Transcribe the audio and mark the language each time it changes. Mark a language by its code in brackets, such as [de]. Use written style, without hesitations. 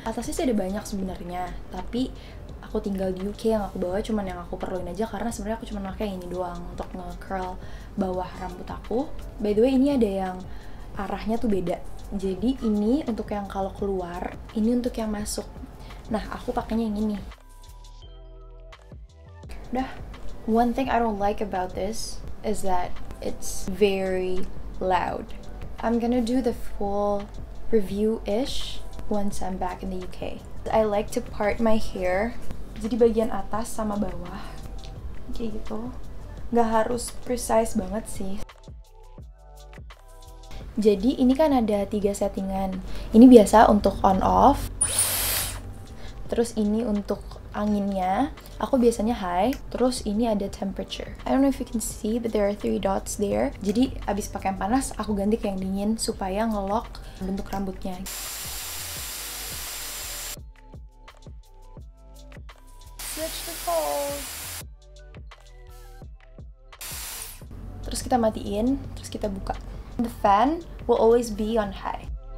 [id] Atasnya sih ada banyak sebenarnya, tapi aku tinggal di UK, yang aku bawa cuman yang aku perluin aja karena sebenarnya aku cuma pakai ini doang untuk nge-curl bawah rambut aku. [en] By the way, [id] ini ada yang arahnya tuh beda. Jadi ini untuk yang kalau keluar, ini untuk yang masuk. Nah, aku pakainya yang ini. Udah. [en] One thing I don't like about this is that it's very loud. I'm gonna do the full review-ish once I'm back in the UK. I like to part my hair. [id] Jadi bagian atas sama bawah. Kayak gitu. Gak harus precise banget sih. Jadi ini kan ada 3 settingan. Ini biasa untuk on-off. Terus ini untuk anginnya, aku biasanya high. Terus ini ada temperature. [en] I don't know if you can see, but there are 3 dots there. [id] Jadi abis pakai yang panas, aku ganti ke yang dingin supaya nge-lock bentuk rambutnya. [en] Switch the cold. [id] Terus kita matiin, terus kita buka. [en] The fan will always be on high.